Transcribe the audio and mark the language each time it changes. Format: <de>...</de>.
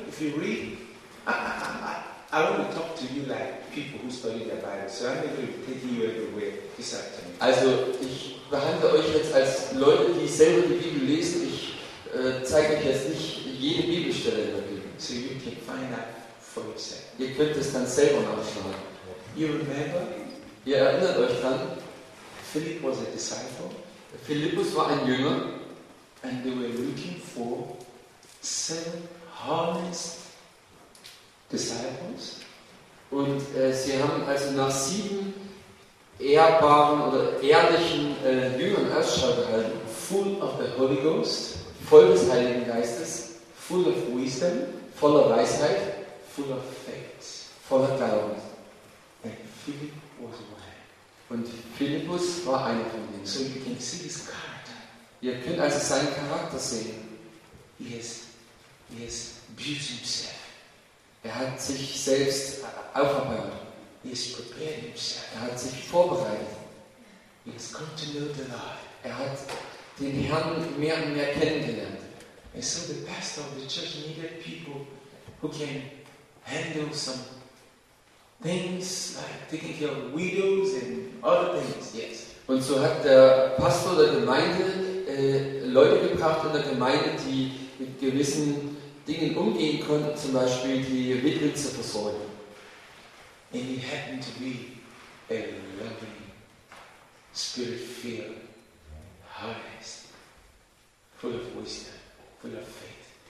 <en>If you read, I only talk to you like people who study their Bible, so I'm going to take you everywhere this afternoon.</en> <de>Also, ich behandle euch jetzt als Leute, die selber die Bibel lesen. Ich zeige euch jetzt nicht jede Bibelstelle in der Bibel.</de> <en>So you can find out for yourself.</en> <de>Ihr könnt es dann selber nachschlagen.</de> <en>You remember?</en> <de>Ihr erinnert euch dann?</de> <en>Philip was a disciple.</en> <de>Philippus war ein Jünger.</de> <en>And they were looking for seven honest disciples.</en> <de>Und sie haben also nach sieben ehrbaren oder ehrlichen Jüngern Ausschau gehalten.</de> <en>Full of the Holy Ghost.</en> <de>Voll des Heiligen Geistes.</de> <en>Full of wisdom.</en> <de>Voller Weisheit.</de> <en>Full of faith.</en> <de>Voller Glauben.</de> <en>And Philip was one.</en> <de>Und Philippus war einer von ihnen.</de> <en>So you can see his character.</en> <de>Ihr könnt also seinen Charakter sehen.</de> <en>He has built himself.</en> <de>Er hat sich selbst aufgebaut.</de> <en>He has prepared himself.</en> <de>Er hat sich vorbereitet.</de> <en>He has come to know the Lord.</en> <de>Er hat den Herrn mehr und mehr kennengelernt.</de> <en>And so the pastor of the church needed people who can handle some things like taking care of widows and other things. Yes.</en> <de>Und so hat der Pastor der Gemeinde Leute gebracht in der Gemeinde, die mit gewissen Dingen umgehen konnten, zum Beispiel die Witwe zu versorgen.</de> <en>And he happened to be a loving, spirit-filled, harvest, full of wisdom, full of faith.</en>